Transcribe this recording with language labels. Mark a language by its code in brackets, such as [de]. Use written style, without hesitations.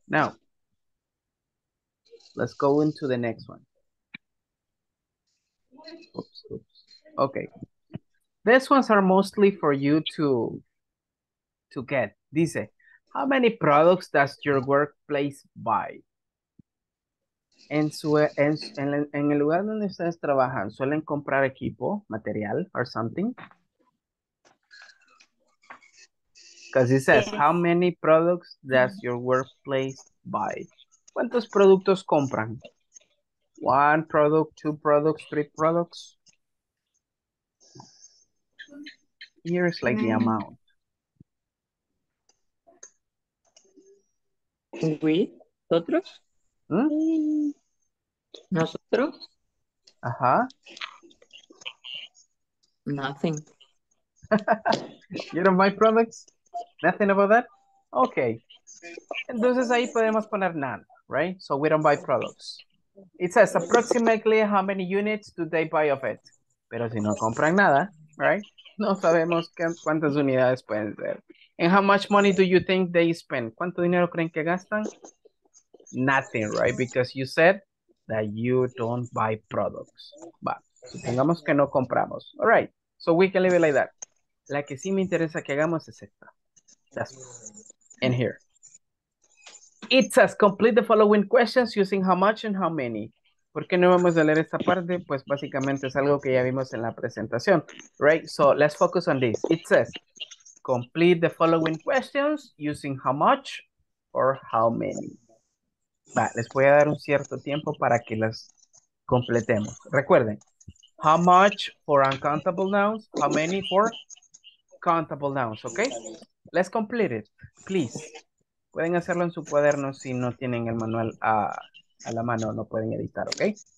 [en] Now, let's go into the next one. Oops. Okay. These ones are mostly for you to get. [es] Dice, [en] how many products does your workplace buy? [es] En el lugar donde ustedes trabajan, ¿suelen comprar equipo, material, [en] or something? Because it says, how many products does your workplace buy? [es] ¿Cuántos productos compran? [en] One product, two products, three products? Here's like the amount. We? [es] Nosotros? Hmm? Nosotros? Uh-huh. [en] Nothing. You don't buy products? Nothing about that? Okay. [es] Entonces ahí podemos poner [en] none, right? So we don't buy products. It says approximately how many units do they buy of it? [es] Pero si no compran nada, right? No sabemos cuántas unidades pueden ser. [en] And how much money do you think they spend? [es] ¿Cuánto dinero creen que gastan? [en] Nothing, right? Because you said that you don't buy products. But [es] supongamos que no compramos. [en] All right. So we can leave it like that. [es] La que sí me interesa que hagamos es esta. [en] In here. It says complete the following questions using how much and how many. [es] ¿Por qué no vamos a leer esta parte? Pues básicamente es algo que ya vimos en la presentación. [en] Right? So let's focus on this. It says complete the following questions using how much or how many. [es] Va, les voy a dar un cierto tiempo para que las completemos. Recuerden, [en] how much for uncountable nouns, how many for countable nouns, okay? Let's complete it, please. [es] Pueden hacerlo en su cuaderno si no tienen el manual a la mano, no pueden editar, okay?